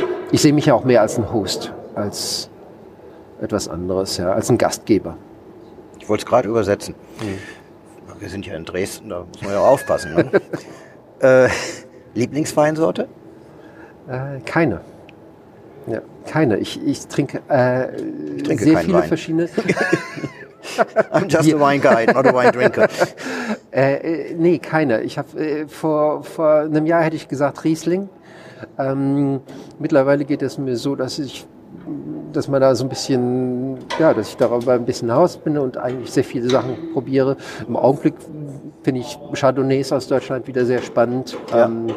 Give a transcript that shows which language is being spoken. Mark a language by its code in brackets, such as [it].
[de] Ich sehe mich ja auch mehr als ein Host, als etwas anderes, ja, als ein Gastgeber. Ich wollte es gerade übersetzen. Wir sind ja in Dresden, da muss man ja aufpassen. Ne? Lieblingsweinsorte? Keine. Ja, keine. Ich trinke, ich trinke sehr viele Wein. Verschiedene. [en] I'm just a wine guy, not a wine drinker. [de] Nee, keine. Ich habe vor einem Jahr hätte ich gesagt Riesling. Mittlerweile geht es mir so, dass man da so ein bisschen, ja, dass ich darüber ein bisschen hinaus bin und eigentlich sehr viele Sachen probiere. Im Augenblick finde ich Chardonnays aus Deutschland wieder sehr spannend. Ja.